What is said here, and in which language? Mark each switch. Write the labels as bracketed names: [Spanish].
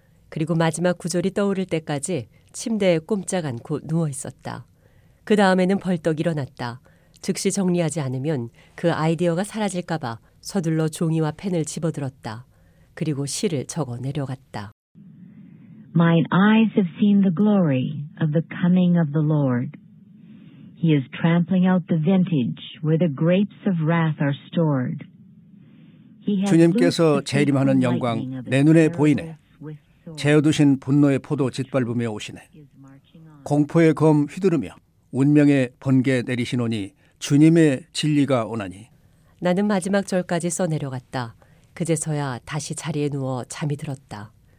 [Korean] 그리고 마지막 구절이 떠오를 때까지 침대에 꼼짝 않고 누워있었다. 그 다음에는 벌떡 일어났다. 즉시 정리하지 않으면 그 아이디어가 사라질까 봐 서둘러 종이와 펜을 집어들었다. 그리고 시를 적어 내려갔다. [English] Mine eyes have seen the glory of the coming of the Lord. He is trampling out the vintage where the grapes of wrath are stored. [Korean] 주님께서 재림하는 영광 내 눈에 보이네. 재어두신 분노의 포도 짓밟으며 오시네. 공포의 검 휘두르며 운명의 번개 내리시노니 주님의 진리가 오나니. 나는 마지막 절까지 써내려갔다. 그제서야 다시 자리에 누워 잠이 들었다.